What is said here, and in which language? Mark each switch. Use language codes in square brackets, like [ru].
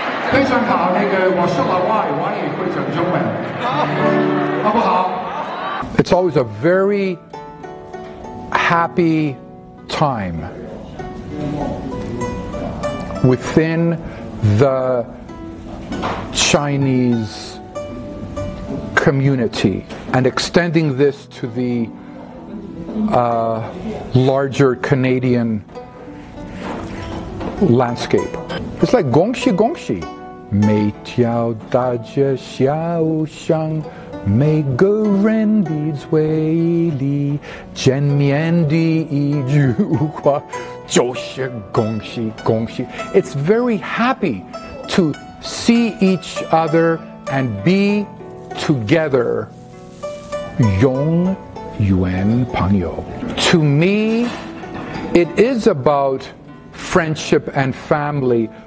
[zh] 非常好，那个我说老外，我也会讲中文，好不好？ [en] It's always a very happy time within the Chinese community, and extending this to the larger Canadian landscape. It's like [zh] Gongxi Gongxi. 每条大街小巷，每个人的嘴里，见面的一句话就是恭喜恭喜。 [en] It's very happy to see each other and be together. [zh] 永远朋友。 [en] To me, it is about friendship and family.